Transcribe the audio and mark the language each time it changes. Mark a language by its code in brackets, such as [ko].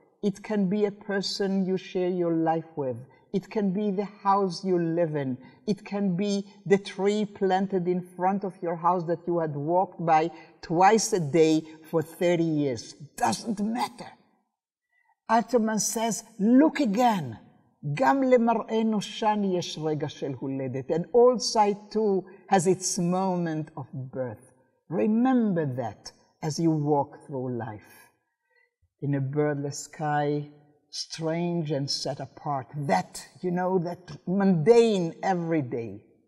[en] It can be a person you share your life with. It can be the house you live in. It can be the tree planted in front of your house that you had walked by twice a day for 30 years. Doesn't matter. Alterman says, look again. [he] גם למראה נושן יש רגע של הולדת. [en] And old sight too has its moment of birth. Remember that as you walk through life. In a birdless sky, strange and set apart. That, you know, that mundane everyday.